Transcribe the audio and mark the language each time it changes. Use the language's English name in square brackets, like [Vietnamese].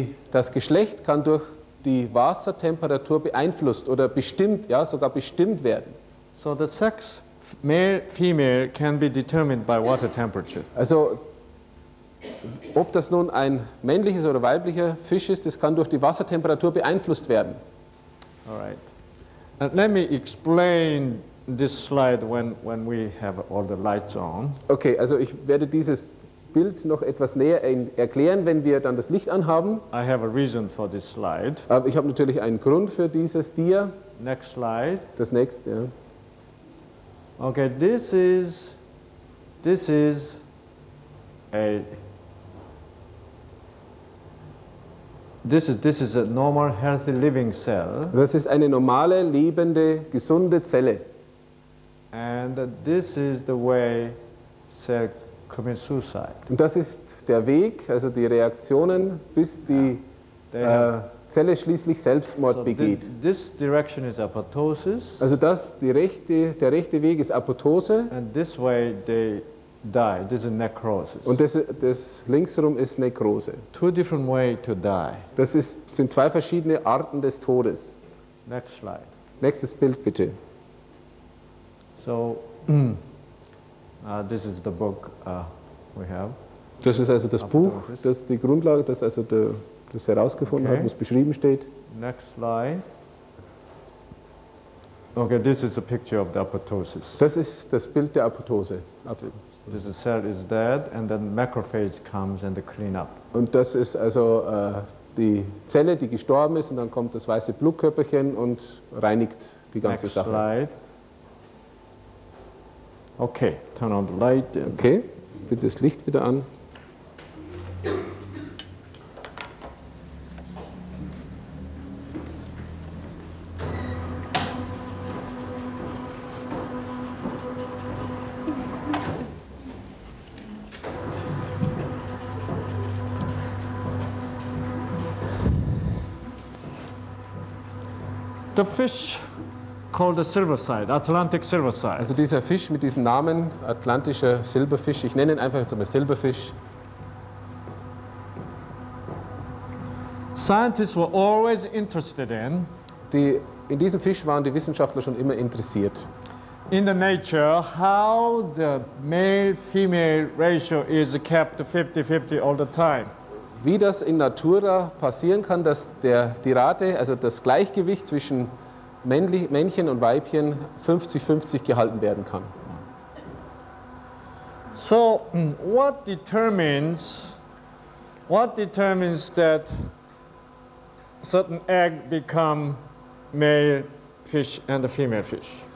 [German] Das Geschlecht kann durch die Wassertemperatur beeinflusst oder bestimmt, ja, sogar bestimmt werden. [English] So the sex, male, female, can be determined by water temperature. [German] Also, ob das nun ein männliches oder weiblicher Fisch ist, das kann durch die Wassertemperatur beeinflusst werden. [English] All right. Let me explain this slide when we have all the lights on. [German] Okay, also ich werde dieses Bild noch etwas näher erklären, wenn wir dann das Licht anhaben. [English] I have a reason for this slide. [German] Aber ich habe natürlich einen Grund für dieses Tier. [English] Next slide. [German] Das nächste, ja. [English] Okay, this is a This is a normal healthy living cell. [German] Das ist eine normale lebende gesunde Zelle. [English] And this is the way cell commits suicide. [German] Und das ist der Weg, also die Reaktionen, bis die Zelle schließlich Selbstmord begeht. [English] This direction is apoptosis. [German] Also das der rechte Weg ist Apoptose. [English] And this way they die. This is necrosis. [German] Und das linksherum ist Nekrose. [English] Two different way to die. [German] Das sind zwei verschiedene Arten des Todes. [English] Next slide. [German] Nächstes Bild bitte. [English] So, this is the book we have. [German] Das ist also das Apoptosis. Buch, das die Grundlage, das also der das herausgefunden okay. hat, was beschrieben steht. [English] Next slide. Okay, this is a picture of the apoptosis. [German] Das ist das Bild der Apoptose. [English] This cell is dead, and then macrophage comes and they clean up. [German] Und das ist also die Zelle, die gestorben ist, und dann kommt das weiße Blutkörperchen und reinigt die ganze [English] Next [German] Sache. [English] Slide. Okay, turn on the light. [German] Okay, bitte das Licht wieder an. [English] The fish called the silver side, Atlantic silver side. [German] Also dieser Fisch mit diesem Namen, atlantischer Silberfisch, ich nenne ihn einfach jetzt mal Silberfisch. [English] Scientists were always interested in. [German] In diesem Fisch waren die Wissenschaftler schon immer interessiert. [English] In the nature, how the male-female ratio is kept 50-50 all the time. [German] Wie das in natura passieren kann, dass die Rate, also das Gleichgewicht zwischen Männchen und Weibchen 50-50 gehalten werden kann. [English] So, what determines that certain egg become male fish and a female fish?